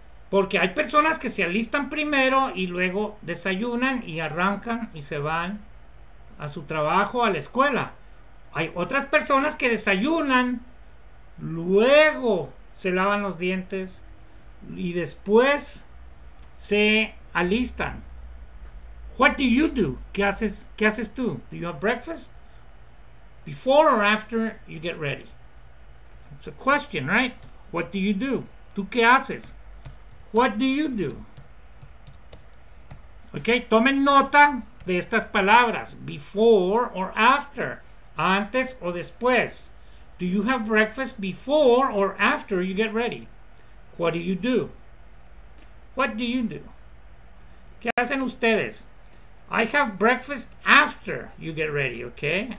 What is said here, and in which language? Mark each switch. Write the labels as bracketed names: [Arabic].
[Spanish] Porque hay personas que se alistan primero y luego desayunan y arrancan y se van a su trabajo, a la escuela. Hay otras personas que desayunan, luego se lavan los dientes y después se alistan. [English] What do you do? [Spanish] Qué haces tú? [English] Do you have breakfast before or after you get ready? It's a question, right? What do you do? [Spanish] ¿Tú qué haces? [English] What do you do? [Spanish] Okay, tomen nota de estas palabras: [English] before or after, [Spanish] antes o después. [English] Do you have breakfast before or after you get ready? What do you do? What do you do? [Spanish] ¿Qué hacen ustedes? [English] I have breakfast after you get ready, okay?